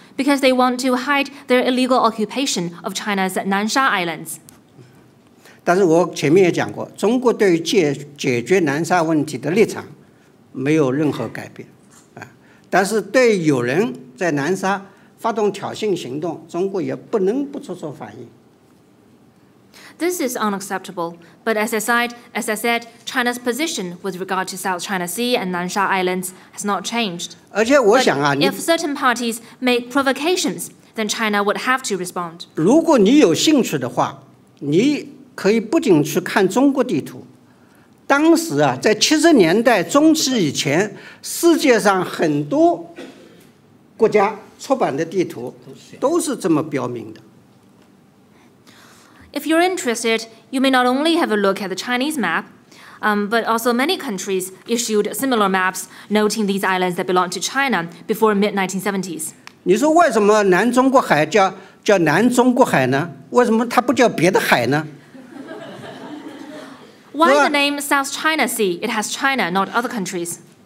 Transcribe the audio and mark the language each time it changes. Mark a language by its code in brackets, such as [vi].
[en] Because they want to hide their illegal occupation of China's Nansha Islands. [zh] 但是我前面也讲过，中国对于解决南沙问题的立场没有任何改变。但是对有人在南沙发动挑衅行动，中国也不能不做出反应。 [en] This is unacceptable, but as I said, China's position with regard to South China Sea and Nansha Islands has not changed. [zh] 而且我想啊, [en] if certain parties make provocations, then China would have to respond. [zh] 如果你有兴趣的话, 你可以不仅去看中国地图, 当时啊, 在70年代中期以前, 世界上很多国家出版的地图 都是这么标明的。 [en] If you're interested, you may not only have a look at the Chinese map, but also many countries issued similar maps noting these islands that belong to China before mid-1970s. [zh] 你说为什么南中国海叫南中国海呢? 为什么它不叫别的海呢? [en] Why the name South China Sea? It has China, not other countries.